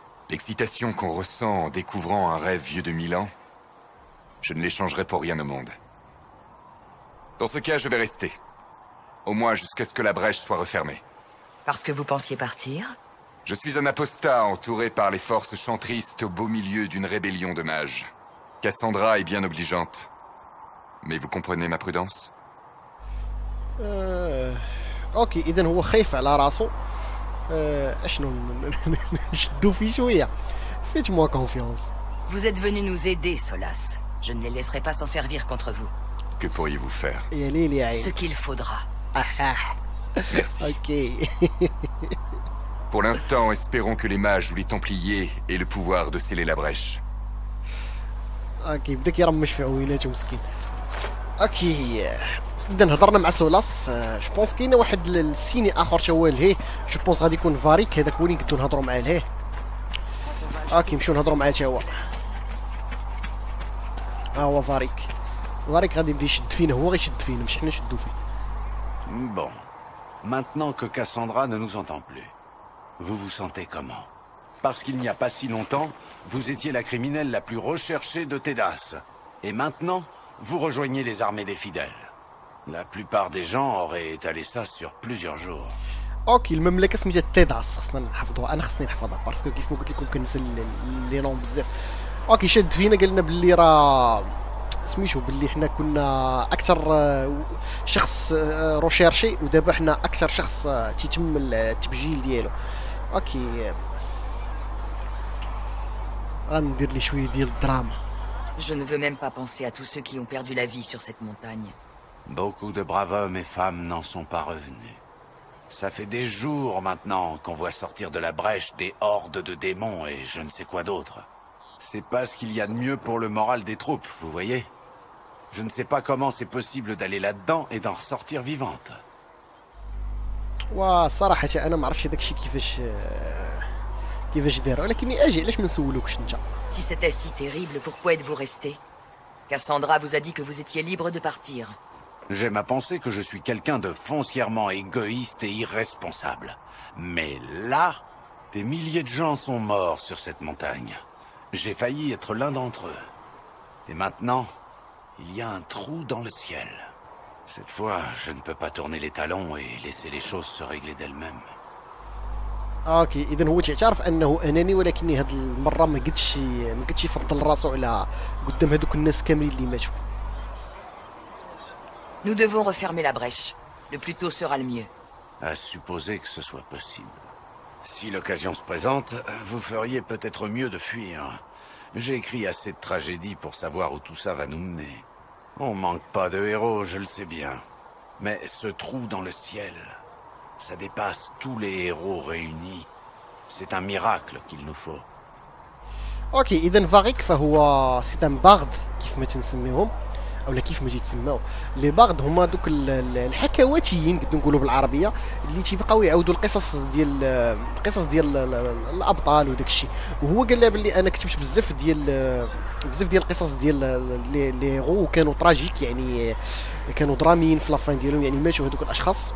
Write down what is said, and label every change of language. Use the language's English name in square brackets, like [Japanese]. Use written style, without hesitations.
[French] L'excitation qu'on ressent en découvrant un rêve vieux de 1000 ans, je ne l'échangerai pour rien au monde. Dans ce cas, je vais rester. Au moins jusqu'à ce que la brèche soit refermée. Parce que vous pensiez partir? Je suis un apostat entouré par les forces chantristes au beau milieu d'une rébellion de mages. Cassandra est bien obligeante. Mais vous comprenez ma prudence? [Arabic] اوكي اذا هو خايف على راسو. اشنو نشدو فيه شويه [French] فيت موا كونفيونس. Vous êtes venu nous aider Solas, je ne les laisserai pas s'en servir contre vous. Que pourriez-vous faire? Ce qu'il faudra. OK. Pour l'instant, espérons que les mages ou les templiers aient le pouvoir de sceller la brèche. [Arabic] OK بدا كيرمش في عويناتو مسكين. اوكي اذا هضرنا مع سولاس، جو بونس كاين واحد السيني اخر حتى هو لهي، جو بونس غادي يكون فاريك هذاك وين يقدروا نهضروا معاه لهي. اوكي نمشيو نهضروا معاه حتى هو. ها هو فاريك، فاريك غادي يبدا يشد فينا، هو غيشد فينا مش حنا نشدوا فيه. [French] بون maintenant que Cassandra ne nous entend plus, vous vous sentez comment? Parce qu'il n'y a pas si longtemps, vous étiez la criminelle la plus recherchée de Tedas. Et maintenant, vous rejoignez les armées des fidèles. La plupart des gens auraient étalé ça sur plusieurs jours. Ok, le même lecas mis à Tedas, [Arabic] خصنا نحفظوها. أنا خصني نحفظها [French] parce que [Arabic] كيف ما قلت لكم كنسل اللي نوم بزاف. Ok, شد فينا قلنا باللي راه سميشو باللي حنا كنا اكثر شخص روشيرشي ودابا حنا اكثر شخص تيتم التبجيل ديالو. اوكي غندير لي شويه ديال الدراما. [French] Je ne veux même pas penser à tous ceux qui ont perdu la vie sur cette montagne. Beaucoup de braves hommes et femmes n'en sont pas revenus. Ça fait des jours maintenant qu'on voit sortir de la brèche des hordes de démons et je ne sais quoi d'autre. C'est pas ce qu'il y a de mieux pour le moral des troupes, vous voyez? Je ne sais pas comment c'est possible d'aller là-dedans et d'en ressortir vivante. [Arabic] Ouah, صراحة أنا ما عرفتش داكشي كيفاش داير، ولكن أجي علاش ما نسولوكش أنت؟ [French] Si c'était si terrible, pourquoi êtes-vous resté? Cassandra vous a dit que vous étiez libre de partir. J'aime à penser que je suis quelqu'un de foncièrement égoïste et irresponsable. Mais là, des milliers de gens sont morts sur cette montagne. J'ai failli être l'un d'entre eux. Et maintenant, il y a un trou dans le ciel. Cette fois, je ne peux pas tourner les talons et laisser les choses se régler d'elles-mêmes. [Arabic] OK, إذن هو تعرف أنه أناني، ولكني هذه المرة ما قدش يفضل راسه على قدام هذوك الناس كاملين اللي ماتوا. [French] Nous devons refermer la brèche. Le plus tôt sera le mieux. À supposer que ce soit possible. Si l'occasion se présente, vous feriez peut-être mieux de fuir. J'ai écrit assez de tragédies pour savoir où tout ça va nous mener. On manque pas de héros, je le sais bien. Mais ce trou dans le ciel, ça dépasse tous les héros réunis. C'est un miracle qu'il nous faut. [Arabic] Ok, إذن فاريك فهو [French] c'est un bard, [Arabic] كيف ما تنسميهم أو كيف ما تسميهم. لي بارد هما دوك الحكواتيين قد نقولوا بالعربية اللي تيبقاو يعودوا القصص ديال الأبطال وداك الشيء. وهو قال لها بلي أنا كتبت بزاف ديال القصص ديال لي هيرو وكانوا تراجيك، يعني كانوا دراميين في لافان ديالهم، يعني ماتوا هذوك الأشخاص.